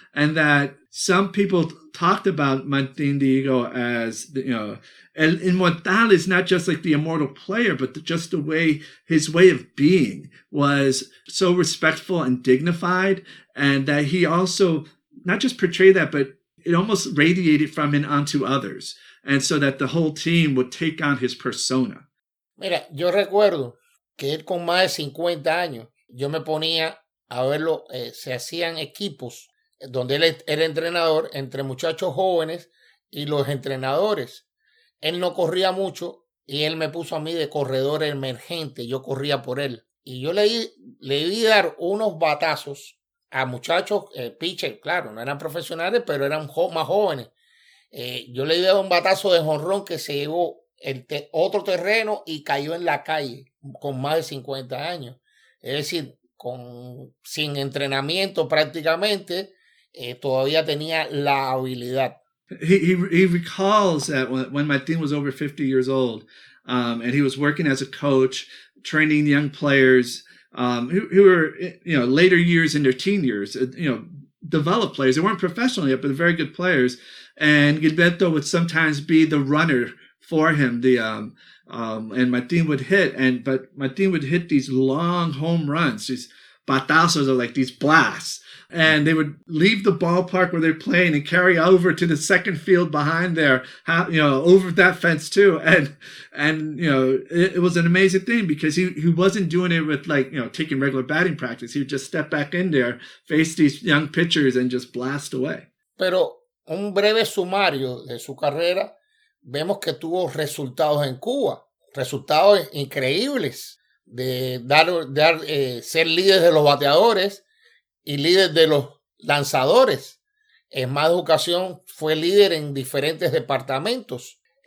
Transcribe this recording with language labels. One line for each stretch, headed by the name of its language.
English: And that some people talked about Martin Diego as, you know, El Inmortal is not just like the immortal player, but just the way his way of being was so respectful and dignified. And that he also not just portrayed that, but it almost radiated from him onto others. And so that the whole team would take on his persona.
Spanish: Mira, yo recuerdo que él con más de 50 años, yo me ponía a verlo, se hacían equipos donde él era entrenador entre muchachos jóvenes y los entrenadores. Él no corría mucho y él me puso a mí de corredor emergente. Yo corría por él. Y yo le vi dar unos batazos a muchachos, pitchers, claro, no eran profesionales, pero eran más jóvenes. Yo le di un batazo de jonrón que se llevó otro terreno y cayó en la calle con más de 50 años. Es decir, sin entrenamiento prácticamente, todavía tenía la habilidad.
English: He recalls that when Martin was over 50 years old, and he was working as a coach, training young players who were, you know, later years in their teen years, you know, developed players. They weren't professional yet, but they're very good players. And Gilberto would sometimes be the runner for him. And Martin would hit, but Martin would hit these long home runs. These batazos are like these blasts. And they would leave the ballpark where they're playing and carry over to the second field behind there, you know, over that fence too. And you know, it was an amazing thing because he wasn't doing it with like, you know, taking regular batting practice. He would just step back in there, face these young pitchers and just blast away.
Spanish: Pero un breve sumario de su carrera, vemos que tuvo resultados en Cuba, resultados increíbles de ser líder de los bateadores y líder de los lanzadores. En más de ocasión fue líder en diferentes departamentos.